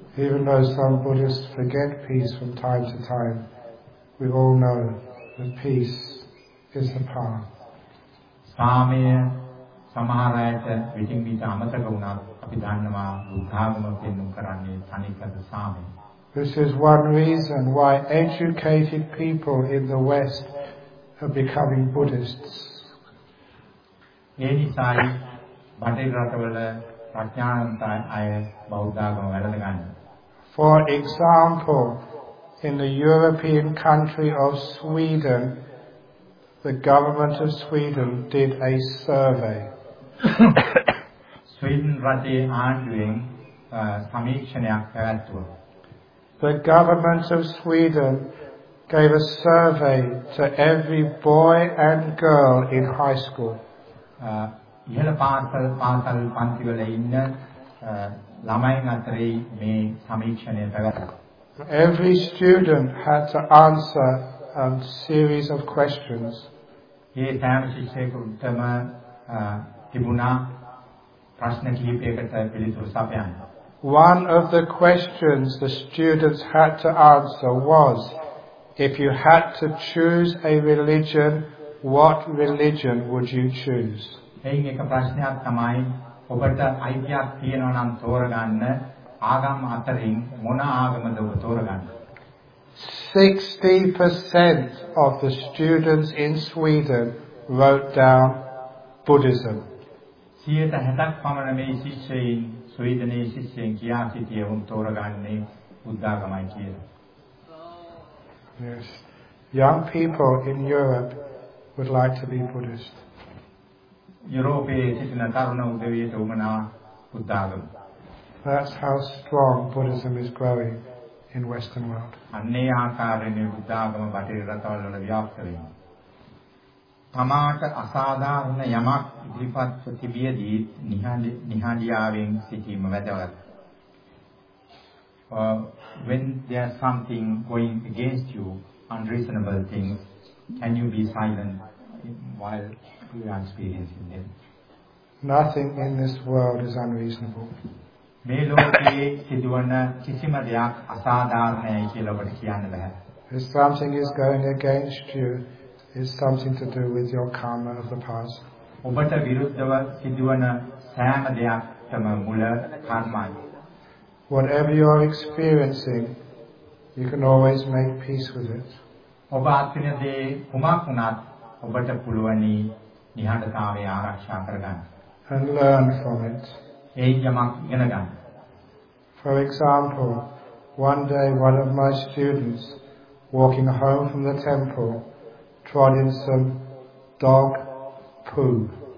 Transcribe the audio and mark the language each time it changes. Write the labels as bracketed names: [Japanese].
[English] Even though some Buddhists forget peace from time to time, we all know that peace is the path. [Sinhala] සාමය සමහර අයට විටින් විට අමතක වුණත් අපි දන්නවා බුද්ධ ආගම පෙන්නුම් කරන්නේ තනිකර සාමය. [English] This is one reason why educated people in the West are becoming Buddhists. [Sinhala] ඒ නිසායි බටහිර රටවල ප්‍රඥාවන්ත අය බෞද්ධ ආගම වැළඳගන්නේ. [English] For example, in the European country of Sweden, the government of Sweden did a survey. [Sinhala] Sweden රටේ ආණ්ඩුවෙන් සමීක්ෂණයක් පැවැත්වුවා. [English] The government of Sweden gave a survey to every boy and girl in high school. [Sinhala] ඉහළ පාසල් පාසල් පන්ති වල ඉන්න ළමයින් අතරේ මේ සමීක්ෂණය පැවැත්වුවා. [English] Every student had to answer a series of questions. [Sinhala] ඒ සෑම ශිෂ්‍යයෙකුටම තිබුණා ප්‍රශ්න කිහිපයකට පිළිතුරු සපයන්න. [English] One of the questions the students had to answer was, if you had to choose a religion, what religion would you choose? [Sinhala] එයින් එක ප්‍රශ්නයක් තමයි, ඔබට අයිතියක් තියෙනවා නම් තෝරගන්න ආගම් අතරින් මොන ආගමද ඔබ තෝරගන්නේ? [English] 60% of the students in Sweden wrote down Buddhism. [Sinhala] 60%ක් පමණ මේ ශිෂ්‍යයින් ස්වීඩනයේ ශිෂ්‍යයන් කියා සිටියේ වුන් තෝරගන්නේ බුද්ධ ආගමයි කියලා. [English] Yes. Young people in Europe would like to be Buddhist. [Sinhala] යුරෝපයේ සිටින තරුණ උදවියට උමනා බුද්ධ ආගම. [English] That's how strong Buddhism is growing in Western world. [Sinhala] අන්නේ ආකාරයෙන් බුද්ධ ආගම බටහිර රටවල් වල ව්‍යාප්ත වෙනවා. තමාට අසාධාරණ යමක් ඉදිරිපත් තිබියදී නිහඬියාවෙන් සිටීම වැදගත්. [English] When there's something going against you, unreasonable things, can you be silent while you are experiencing them? Nothing in this world is unreasonable. [Sinhala] මේ ලෝකයේ සිදුවන කිසිම දෙයක් අසාධාරණයි කියලා ඔබට කියන්න බෑ. [English] If something is going against you, it's something to do with your karma of the past. [Sinhala] ඔබට විරුද්ධව සිදුවන සෑම දෙයක්ම මුල කර්මයි. [English] Whatever you are experiencing, you can always make peace with it. [Sinhala] ඔබ අත්විඳින කුමක් වුණත් ඔබට පුළුවනි නිහඬතාවය ආරක්ෂා කරගන්න. [English] And learn from it. [Sinhala] එයින් යමක් ඉගෙන ගන්න. [English] For example, one day one of my students walking home from the temple trod in some dog poo.